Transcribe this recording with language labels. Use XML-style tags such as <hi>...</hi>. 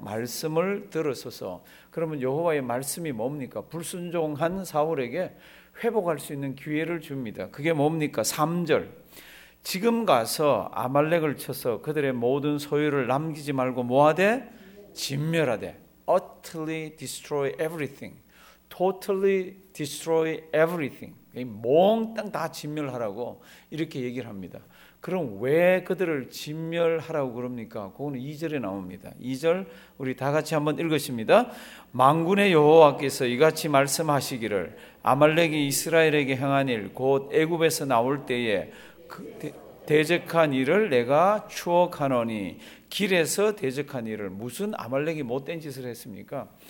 <ko>말씀을 들으소서. 그러면 여호와의 말씀이 뭡니까? 불순종한 사울에게 회복할 수 있는 기회를 줍니다. 그게 뭡니까? 3절 지금 가서 아말렉을 쳐서 그들의 모든 소유를 남기지 말고 뭐하되? 진멸하되.</ko> <en>Utterly destroy everything. Totally destroy everything.</en> <ko>몽땅 다 진멸하라고 이렇게 얘기를 합니다. 그럼 왜 그들을 진멸하라고 그럽니까? 그거는 2절에 나옵니다. 2절 우리 다 같이 한번 읽으십니다. 만군의 여호와께서 이같이 말씀하시기를 아말렉이 이스라엘에게 행한 일 곧 애굽에서 나올 때에 그 대적한 일을 내가 추억하노니 길에서 대적한 일을 무슨 아말렉이 못된 짓을 했습니까?</ko>